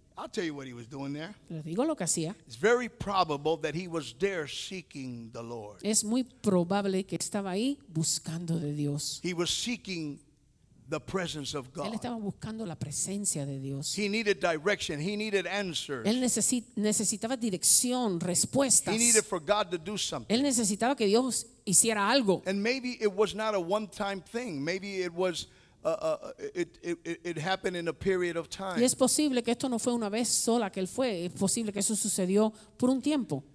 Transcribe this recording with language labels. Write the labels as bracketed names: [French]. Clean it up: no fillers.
[English] I'll tell you what he was doing there. [Spanish] Les digo lo que hacía. [English] It's very probable that he was there seeking the Lord. [Spanish] Es muy probable que estaba ahí buscando de Dios. [English] He was seeking the presence of God. [Spanish] Él estaba buscando la presencia de Dios. [English] He needed direction. He needed answers. [Spanish] Él necesitaba dirección, respuestas. [English] He needed for God to do something. [Spanish] Él necesitaba que Dios hiciera algo. [English] And maybe it was not a one-time thing. Maybe it was. It happened in a period of time. [Spanish] Y es posible que esto no fue una vez sola que él fue. Es posible que eso sucedió por un tiempo.